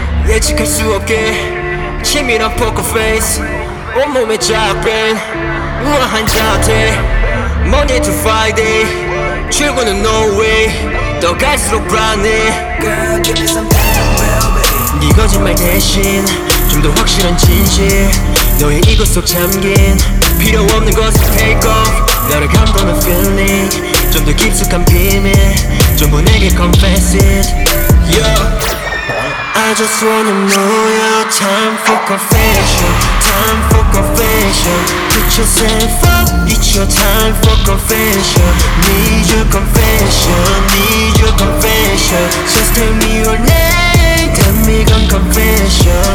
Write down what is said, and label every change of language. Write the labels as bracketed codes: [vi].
[ko] 예측할 수 없게 치밀한 poker face. 온몸에 잡힌 우아한 자태. [en] Monday to Friday [ko] 출근은 [en] no way. [ko] 더 갈수록 불안해. [en] Girl, give me some time, well, baby. [ko] 네 거짓말 대신 좀 더 확실한 진실. 너의 이곳 속 잠긴 필요 없는 것을 [en] take off. [ko] 나를 감도는 feeling 좀 더 깊숙한 비밀 전부 내게 [en] confess it. Yeah. I just wanna know your time for confession. Time for confession. Put yourself up, it's your time for confession. Need your confession, need your confession. Just tell me your name, tell me your confession.